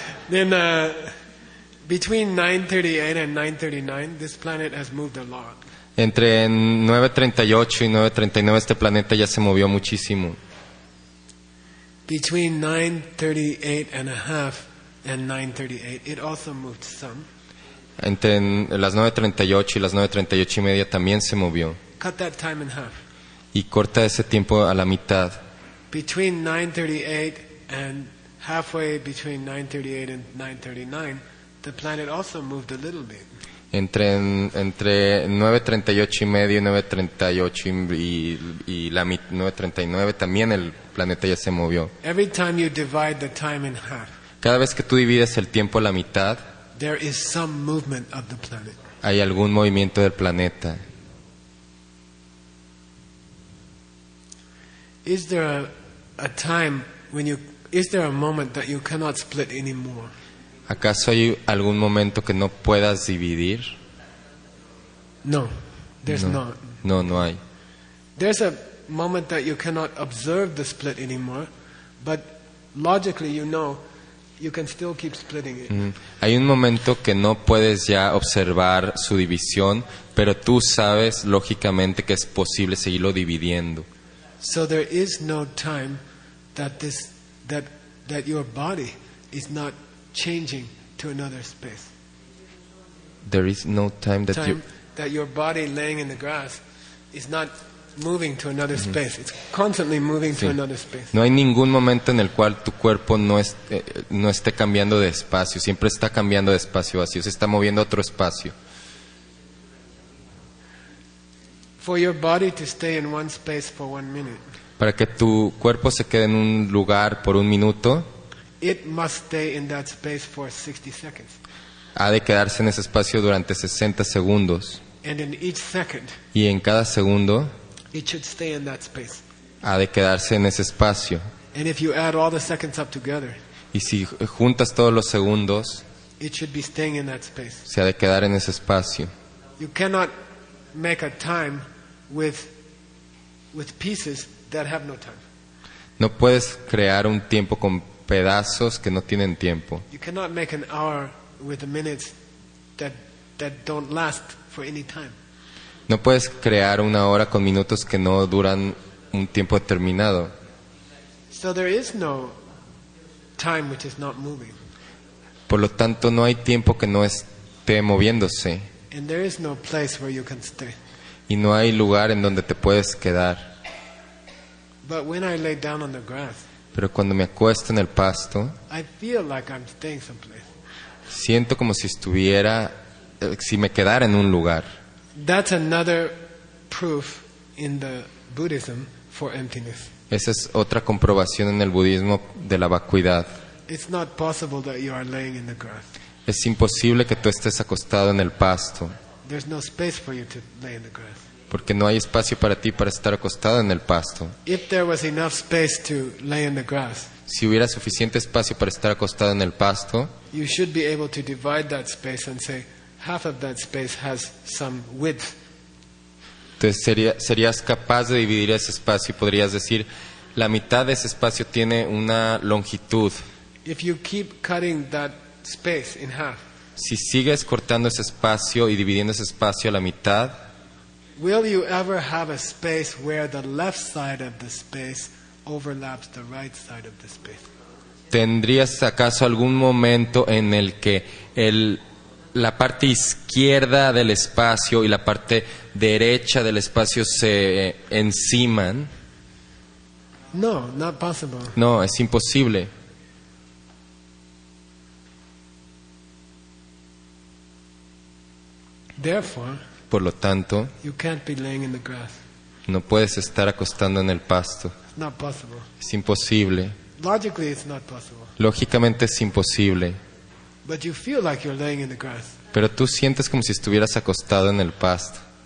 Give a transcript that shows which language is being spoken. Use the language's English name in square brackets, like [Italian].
[English] Then between 9:38 and 9:39, this planet has moved a lot. [Spanish] Entre 9:38 y 9:39 este planeta ya se movió muchísimo. [English] Between 9:38 and a half and 9:38, it also moved some. [Spanish] Entre las 9:38 y las 9:38 y media también se movió. [English] Cut that time in half. [Spanish] Y corta ese tiempo a la mitad. [English] Between 9:38 and halfway between 9:38 and 9:39, the planet also moved a little bit. [Spanish] Entre 9:38 y media y 9:39 también el planeta ya se movió. [English] Every time you divide the time in half, [Spanish] cada vez que tú divides el tiempo a la mitad, [English] there is some movement of the planet. [Spanish] Hay algún movimiento del planeta. [English] Is there a time when you is there a moment that you cannot split anymore? [Spanish] ¿Acaso hay algún momento que no puedas dividir? [English] No, there's not. [Spanish] No, no hay. [English] There's a moment that you cannot observe the split anymore, but logically you know you can still keep splitting it. [Spanish] Hay un momento que no puedes ya observar su división, pero tú sabes lógicamente que es posible seguirlo dividiendo. [English] So there is no time that your body is not changing to another space. There is no time that time that your body laying in the grass is not moving to another space. It's constantly moving to another space. [Spanish] No hay ningún momento en el cual tu cuerpo no esté cambiando de espacio. Siempre está cambiando de espacio vacío. Se está moviendo a otro espacio. [English] For your body to stay in one space for 1 minute. [Spanish] Para que tu cuerpo se quede en un lugar por un minuto. [English] It must stay in that space for 60 seconds. [Spanish] Ha de quedarse en ese espacio durante 60 segundos. [English] And in each second, [Spanish] y en cada segundo, [English] it should stay in that space. [Spanish] Ha de quedarse en ese espacio. [English] And if you add all the seconds up together, [Spanish] y si juntas todos los segundos, [English] it should be staying in that space. [Spanish] Se ha de quedar en ese espacio. [English] You cannot make a time with pieces that have no time. [Spanish] No puedes crear un tiempo con pedazos que no tienen tiempo. [English] You cannot make an hour with the minutes that don't last for any time. [Spanish] No puedes crear una hora con minutos que no duran un tiempo determinado. [English] So there is no time which is not moving. [Spanish] Por lo tanto, no hay tiempo que no esté moviéndose. [English] And there is no place where you can stay. [Spanish] Y no hay lugar en donde te puedes quedar. [English] But when I lay down on the grass, [Spanish] pero cuando me acuesto en el pasto, [English] I feel like I'm staying someplace. [Spanish] Siento como si estuviera, si me quedara en un lugar. [English] That's another proof in the Buddhism for emptiness. [Spanish] Esa es otra comprobación en el budismo de la vacuidad. [English] It's not possible that you are laying in the grass. [Spanish] Es imposible que tú estés acostado en el pasto. [English] There's no space for you to lay in the grass. [Spanish] Porque no hay espacio para ti para estar acostado en el pasto. [English] If there was enough space to lay in the grass, [Spanish] si hubiera suficiente espacio para estar acostado en el pasto, [English] you should be able to divide that space and say half of that space has some width. [Spanish] Entonces serías capaz de dividir ese espacio y podrías decir la mitad de ese espacio tiene una longitud. [English] If you keep cutting that space in half, [Spanish] si sigues cortando ese espacio y dividiendo ese espacio a la mitad, [English] will you ever have a space where the left side of the space overlaps the right side of the space? [Spanish] ¿Tendrías acaso algún momento en el que la parte izquierda del espacio y la parte derecha del espacio se enciman? [English] No, not possible. [Spanish] No, es imposible. [English] Therefore, [Spanish] por lo tanto, [English] you can't be laying in the grass. [Spanish] No puedes estar acostando en el pasto. [English] It's not possible. [Spanish] Es imposible. [English] Logically, it's not possible. [Spanish] Lógicamente es imposible. [English] But you feel like you're laying in the grass. [Spanish] Pero tú sientes como si estuvieras acostado en el pasto.